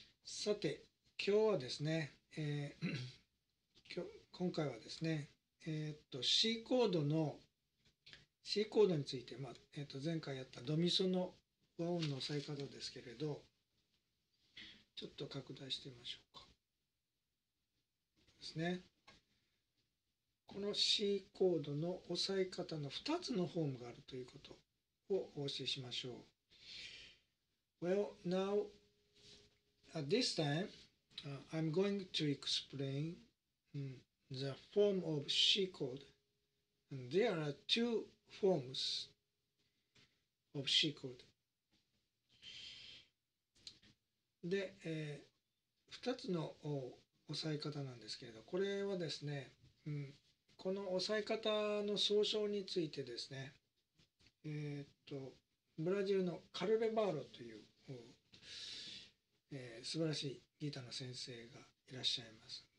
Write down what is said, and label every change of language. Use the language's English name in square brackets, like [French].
[Japanese] さて、今日はですね、今回はですね、C コードの C コードについて、前回やったドミソの和音の押さえ方ですけれど、ちょっと拡大してみましょうか。ですね。この C コードの押さえ方の2つのフォームがあるということをお教えしましょう。 [English] Well, now, at this time,、I'm going to explain、the form of C chord. And there are two forms of C chord. [Japanese] で、2つの押さえ方なんですけれど、これはですね、この押さえ方の総称についてですね、ブラジルのカルベバーロという素晴らしいギターの先生がいらっしゃいます。